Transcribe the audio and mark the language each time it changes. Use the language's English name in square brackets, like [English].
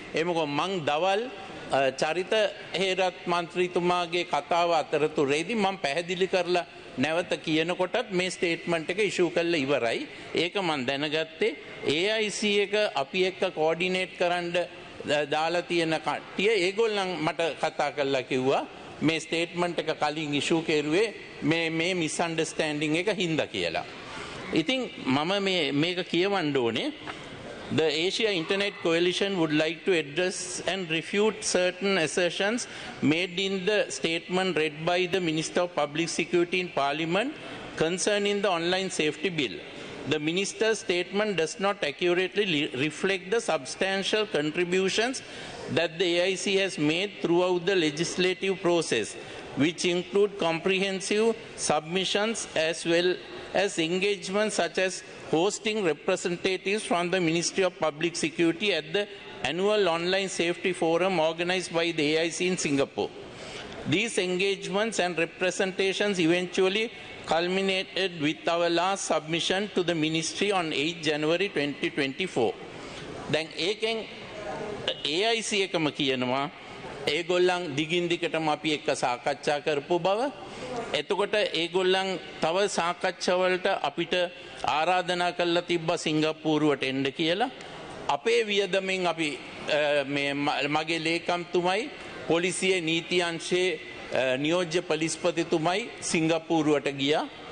[Sinhala] එමුකො මං දවල් චරිත හේරත් මන්ත්‍රීතුමාගේ කතාව අතරතුරේදී මං පැහැදිලි කරලා නැවත කියනකොටත් මේ ස්ටේට්මන්ට් එක ඉෂුව කරලා ඉවරයි. ඒක මං දැනගත්තේ AIC එක අපි එක්ක කෝඩිනේට් කරන්න දාලා තියෙන කට්ටිය ඒගොල්ලන් මට කතා කරලා කිව්වා මේ ස්ටේට්මන්ට් එක කලින් ඉෂුව කෙරුවේ මේ මේ මිස්අන්ඩර්ස්ටෑන්ඩින් එක හින්දා කියලා. ඉතින් මම මේ මේක කියවන්න ඕනේ. [English] The Asia Internet Coalition would like to address and refute certain assertions made in the statement read by the Minister of Public Security in Parliament concerning the online safety bill. The minister's statement does not accurately reflect the substantial contributions that the AIC has made throughout the legislative process, which include comprehensive submissions as well as engagements such as hosting representatives from the Ministry of Public Security at the annual online safety forum organized by the AIC in Singapore. These engagements and representations eventually culminated with our last submission to the ministry on 8 January 2024. [Sinhala] Then AIC ekam kiyenawa ඒගොල්ලන් දිගින් දිගටම අපි එක්ක සාකච්ඡා කරපු බව. එතකොට ඒගොල්ලන් තව සාකච්ඡා වලට අපිට ආරාධනා කළා තිබ්බා සිංගප්පූරුවට එන්න කියලා. අපේ වියදමෙන් අපි මේ මගේ ලේකම්තුමයි පොලිසියේ නීති අංශයේ නියෝජ්‍ය පොලිස්පතිතුමයි සිංගප්පූරුවට ගියා.